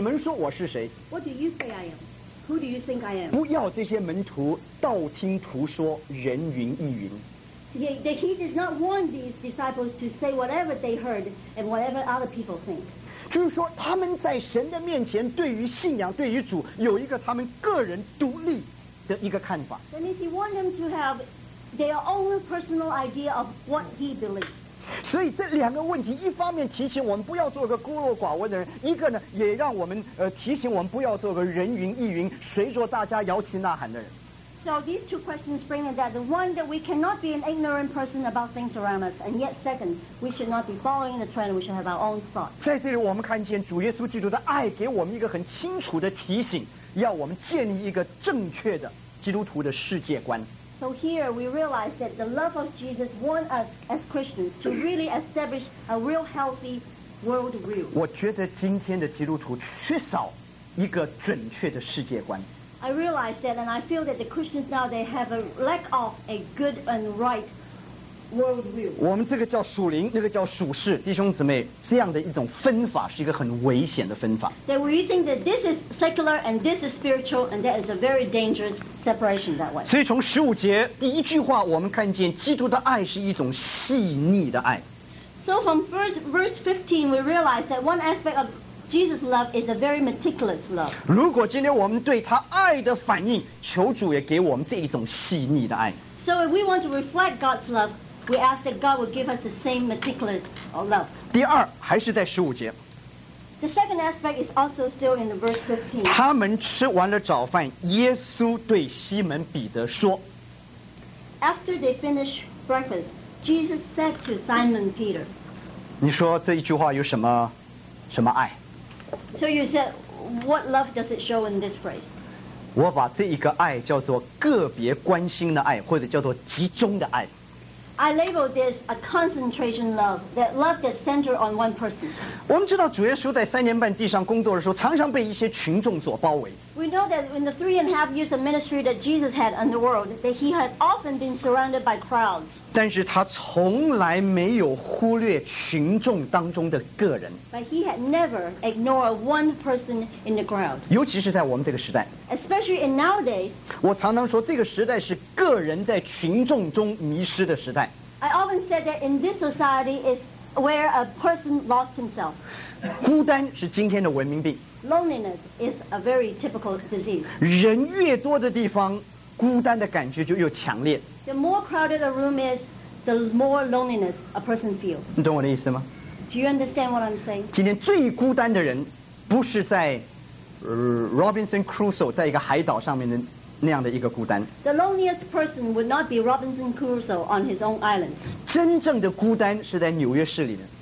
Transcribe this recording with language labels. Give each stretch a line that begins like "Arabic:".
Chinese: 你们说我是谁
English: ？What do you say I am? Who do you think I am?
Chinese: 不要这些门徒道听途说，人云亦云。
English: He does not want these disciples to say whatever they heard and whatever other people think.
Chinese: 就是说，他们在神的面前，对于信仰、对于主，有一个他们个人独立的一个看法。
English: That means he wants them to have their own personal idea of what he believes.
Chinese: 所以这两个问题，一方面提醒我们不要做个孤陋寡闻的人，一个呢也让我们提醒我们不要做个人云亦云、随着大家摇旗呐喊的人。
English: So these two questions bring in that the one that we cannot be an ignorant person about things around us, and yet second, we should not be following the trend. We should have our own thought.
Chinese: 在这里，我们看见主耶稣基督的爱给我们一个很清楚的提醒，要我们建立一个正确的基督徒的世界观。
English: So here we realize that the love of Jesus wants us as Christians to really establish a real healthy world view.
Chinese: 我觉得今天的基督徒缺少一个准确的世界观。
English: I realize that, and I feel that the Christians now they have a lack of a good and right world view.
Chinese: 我们这个叫属灵，那个叫属世，弟兄姊妹，这样的一种分法是一个很危险的分法。
English: That we think that this is secular and this is spiritual, and that is a very dangerous. Separation that way.
Chinese: 所以从十五节第一句话，我们看见基督的爱是一种细腻的爱。
English: So from verse 15, we realize that one aspect of Jesus' love is a very meticulous love.
Chinese: 如果今天我们对他爱的反应，求主也给我们这一种细腻的爱。
English: So if we want to reflect God's love, We ask that God will give us the same meticulous love.
Chinese: 第二，还是在十五节。
English: The second aspect is also still in the verse 15.
Chinese: 他们吃完了早饭，耶稣对西门彼得说。
English: After they finished breakfast, Jesus said to Simon Peter.
Chinese: 你说这一句话有什么？什么爱
English: ？So you said, what love does it show in this phrase?
Chinese: 我把这一个爱叫做个别关心的爱，或者叫做集中的爱。
English: I label this a concentration love, that love that centers on one person.
Chinese: 我们知道主耶稣在三年半地上工作的时候，常常被一些群众所包围。
English: We know that in the 3.5 years of ministry that Jesus had in the world, that he had often been surrounded by crowds.
Chinese: 但是他从来没有忽略群众当中的个人。
English: But he had never ignored one person in the crowd.
Chinese: 尤其是在我们这个时代。
English: Especially in nowadays.
Chinese: 我常常说这个时代是个人在群众中迷失的时代。
English: I often said that in this society is where a person lost himself.
Chinese: 孤单是今天的文明病。
English: Loneliness is a very typical disease.
Chinese: 人越多的地方，孤单的感觉就越强烈。
English: The more crowded a room is, the more loneliness a person feels.
Chinese: 你懂我的意思吗？
English: Do you understand what I'm saying?
Chinese: 今天最孤单的人，不是在Robinson Crusoe 在一个海岛上面的那样的一个孤单。
English: The loneliest person would not be Robinson Crusoe on his own island.
Chinese: 真正的孤单是在纽约市里的。